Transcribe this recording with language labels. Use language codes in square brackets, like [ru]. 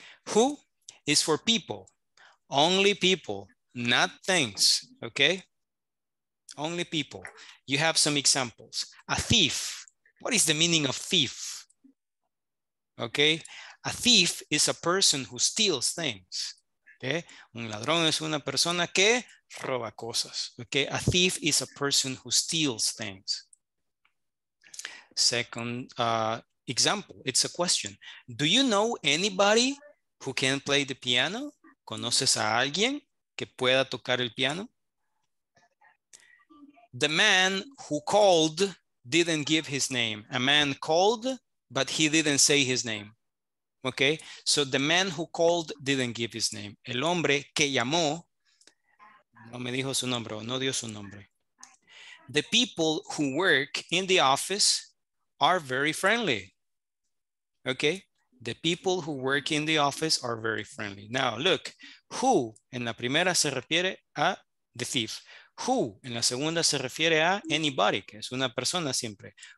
[en] Who is for people, only people, not things, okay? Only people. You have some examples. A thief, what is the meaning of thief? Okay, a thief is a person who steals things. [es] Okay, un ladrón es una persona que roba cosas. [en] Okay, a thief is a person who steals things. Second, example, it's a question. Do you know anybody who can play the piano? [es] ¿Conoces a alguien que pueda tocar el piano? [en] The man who called didn't give his name. A man called, but he didn't say his name. Okay, so the man who called didn't give his name. [es] El hombre que llamó no me dijo su nombre o no dio su nombre. [en] The people who work in the office are very friendly. Okay, the people who work in the office are very friendly. Now look, [es] who en la primera se refiere a [en] the thief. [es] Who en la segunda se refiere a anybody, que es una persona siempre.